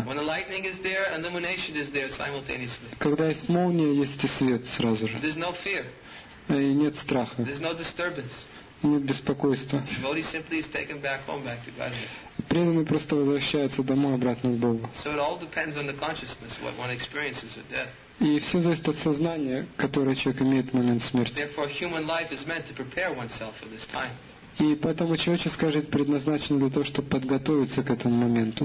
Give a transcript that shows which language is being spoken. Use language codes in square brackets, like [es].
[en] When the lightning is there, illumination is there simultaneously. [ru] Когда есть молния, есть и свет сразу же. [en] There's no fear. [ru] И нет страха. [en] There's no disturbance. [ru] Нет беспокойства. [en] Devotee simply is taken back home, back to Godhead. [ru] Преданный просто возвращается домой, обратно к Богу. [en] So it all depends on the consciousness, what one experiences at death. [ru] И все зависит от сознания, которое человек имеет в момент смерти. [en] Therefore, human life is meant to prepare oneself for this time. [ru] И поэтому человеческая жизнь предназначена для того, чтобы подготовиться к этому моменту.